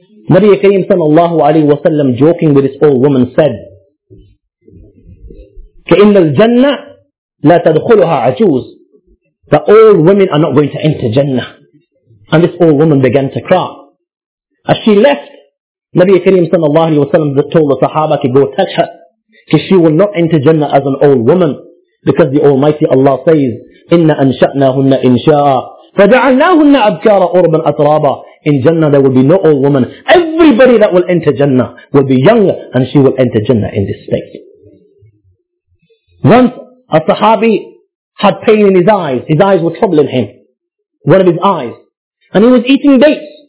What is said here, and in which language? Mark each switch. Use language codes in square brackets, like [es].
[en] Nabi Kareem sallallahu alayhi wa sallam, joking with this old woman, said, [ar] كَإِنَّ الْجَنَّةِ لَا تَدْخُلُهَا عَجُوزٍ. [en] The old women are not going to enter Jannah. And this old woman began to cry. As she left, Nabi Kareem sallallahu alayhi wa sallam told the Sahaba to go touch her. Because she will not enter Jannah as an old woman. Because the Almighty Allah says, [ar] إِنَّ أَنْشَأْنَاهُنَّ إِنْشَاءً فَدَعَلْنَاهُنَّ أَبْكَارَ أُرْبًا أَتْرَابًا. [en] In Jannah there will be no old woman. Everybody that will enter Jannah will be younger, and she will enter Jannah in this state. Once a Sahabi had pain in his eyes. His eyes were troubling him. One of his eyes. And he was eating dates.